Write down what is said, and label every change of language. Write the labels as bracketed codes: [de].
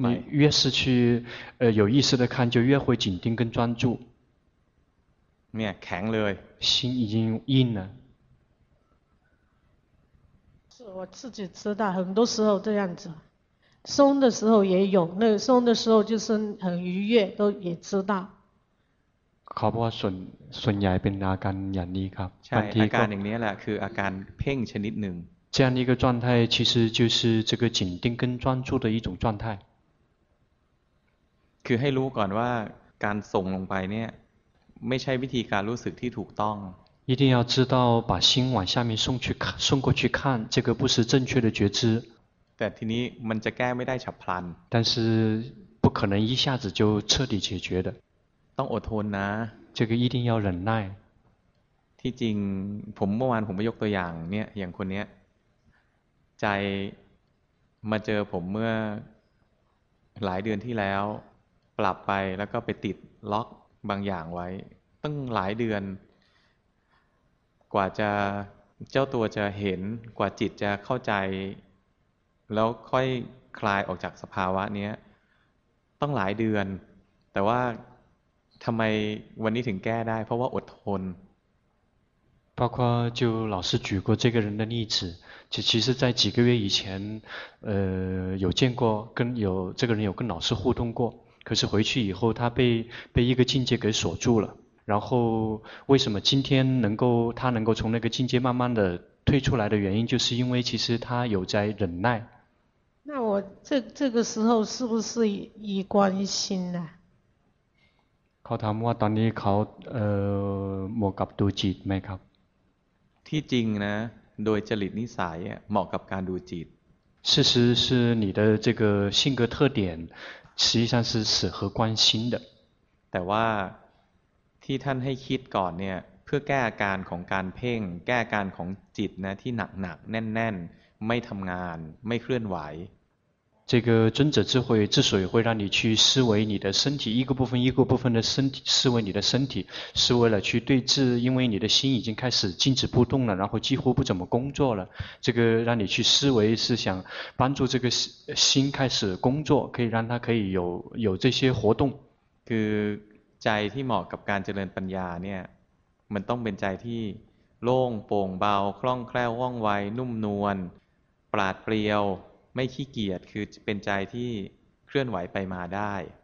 [zh] 你越是去有意识的看，就越会紧盯跟专注。你强了，心已经硬了。是我自己知道，很多时候这样子，松的时候也有，那个松的时候就是很愉悦，都也知道。 [th] เขาบอกว่าส่วนใหญ่เป็นอาการอย่างนี้ครับ ใช่อาการอย่างนี้แหละคืออาการเพ่งชนิดหนึ่ง [zh] 这样的一个状态其实就是这个紧盯跟专注的一种状态 [th] คือให้รู้ก่อนว่าการส่งลงไปเนี่ยไม่ใช่วิธีการรู้สึกที่ถูกต้อง [zh] 一定要知道把心往下面送去送过去看这个不是正确的觉知 [th] แต่ทีนี้มันจะแก้ไม่ได้ฉับพลัน [zh] 但是不可能一下子就彻底解决的 [th] ต้องอดทนนะ [zh] 这个一定要忍耐 [th] ที่จริงผมเมื่อวานผมไปยกตัวอย่างเนี่ยอย่างคนเนี้ยใจมาเจอผมเมื่อหลายเดือนที่แล้วปรับไปแล้วก็ไปติดล็อกบางอย่างไว้ตั้งหลายเดือนกว่าจะเจ้าตัวจะเห็นกว่าจิตจะเข้าใจแล้วค่อยคลายออกจากสภาวะเนี้ยต้องหลายเดือนแต่ว่าทำไมวันนี้ถึงแก้ได้เพราะว่าอดทน [zh] 包括就老师举过这个人的例子就其实在几个月以前有见过跟有这个人有跟老师互动过可是回去以后他被一个境界给锁住了然后为什么今天他能够从那个境界慢慢的退出来的原因就是因为其实他有在忍耐那我这个时候是不是以关心呢 [th] เขาถามว่าตอนนี้เขาหมกกับดูจิตไหมครับ ที่จริงนะโดยจริตนิสัยเหมาะกับการดูจิต [zh] 事实是你的这个性格特点实际上是适合观心的 [th] แต่ว่าที่ท่านให้คิดก่อนเนี่ยเพื่อแก้อาการของการเพ่งแก้อาการของจิตนะที่หนักหนักแน่นแน่นไม่ทำงานไม่เคลื่อนไหว [zh] 这个尊者智慧之所以会让你去思维你的身体一个部分一个部分的身体思维你的身体是为了去对治因为你的心已经开始静止不动了然后几乎不怎么工作了这个让你去思维是想帮助这个心开始工作可以让它可以有这些活动 [th] คือใจที่เหมาะกับการเจริญปัญญาเนี่ยมันต้องเป็นใจที่โล่งโปร่งเบาคล่องแคล่วว่องไวนุ่มนวลปราดเปรียวไม่ขี้เกียจคือเป็นใจที่เคลื่อนไหวไปมาได้